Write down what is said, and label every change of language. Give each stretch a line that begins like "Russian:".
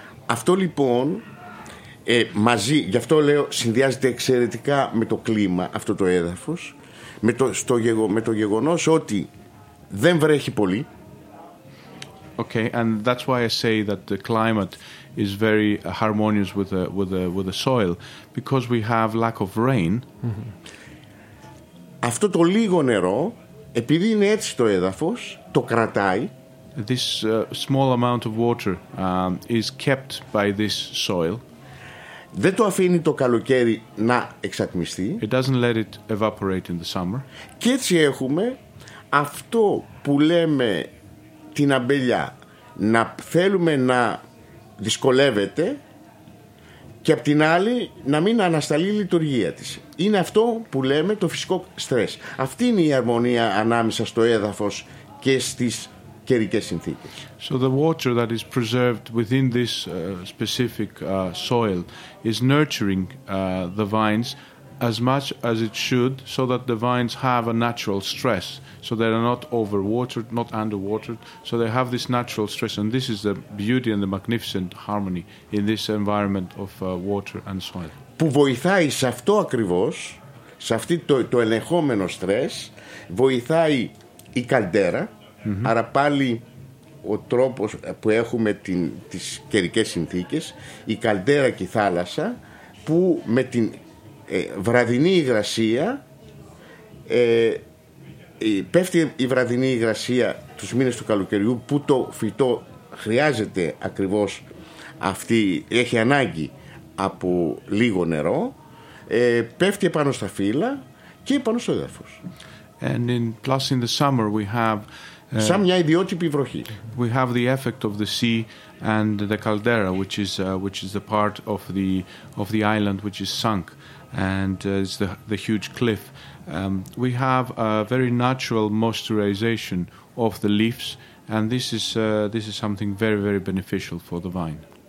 Greek: Αυτό λοιπόν, μαζί, γι' αυτό λέω, συνδυάζεται εξαιρετικά με το κλίμα, αυτό το έδαφος, με το γεγονός ότι δεν βρέχει πολύ.
English: Okay, and that's why I say that the climate is very harmonious with the soil, because we have lack of rain. Mm-hmm.
Greek: Αυτό το λίγο νερό, επειδή είναι έτσι το έδαφος, το κρατάει.
English: This small amount of water is kept by this soil.
Greek: Δεν το αφήνει το καλοκαίρι να εξατμιστεί.
English: It doesn't let it evaporate in the summer.
Greek: Και έτσι έχουμε αυτό που λέμε την αμπελιά, να θέλουμε να δυσκολεύεται και απ' την άλλη να μην ανασταλεί η λειτουργία της. Είναι αυτό που λέμε το φυσικό στρες. Αυτή είναι η αρμονία ανάμεσα στο έδαφος και στις καιρικές συνθήκες.
English: So the water that is preserved within this specific soil is nurturing the vines as much as it should, so that the vines have a natural stress, so they are not overwatered, not underwatered, so they have this natural stress, and this is the beauty and the magnificent harmony in this environment of water and soil.
Greek: Που βοηθάει σε αυτό ακριβώς, σε αυτή το ελεγχόμενο στρες, βοηθάει η καλντέρα. Mm-hmm. Άρα πάλι ο τρόπος που έχουμε τις καιρικές συνθήκες, η καλντέρα και η θάλασσα, που με την βραδινή υγρασία, πέφτει η βραδινή υγρασία τους μήνες του καλοκαιριού, που το φυτό χρειάζεται ακριβώς αυτή, έχει ανάγκη από λίγο νερό, πέφτει επάνω στα φύλλα και επάνω στο έδαφος.
English: And in, plus in the summer we have
Greek: σαν μια ιδιότυπη βροχή.
English: We have the effect of the sea and the caldera, which is the part of the island which is sunk, and is the huge cliff. We have a very natural moisturization of the leaves, and this is something very, very beneficial for the vine.